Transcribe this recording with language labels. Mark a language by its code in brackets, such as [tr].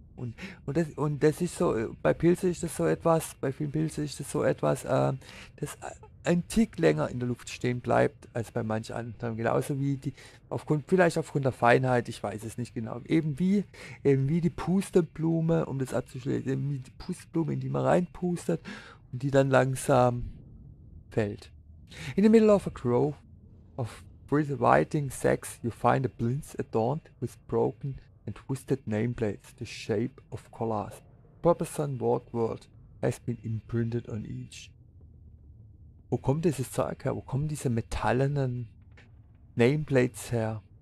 [de] Und das ist so, bei Pilze ist das so etwas, bei vielen Pilzen ist das so etwas, dass ein Tick länger in der Luft stehen bleibt als bei manch anderen. Genauso wie die, vielleicht aufgrund der Feinheit, ich weiß es nicht genau. Eben wie die Pusteblume, um das abzuschließen, eben wie die Pusteblume, in die man reinpustet und die dann langsam fällt. [en] In the middle of a grove of writhing sacks, you find a plinth adorned with broken and twisted nameplates, the shape of collars. Purpose and word has been imprinted on each. [de] Wo kommt dieses Zeug her? Wo kommen diese metallenen Nameplates her?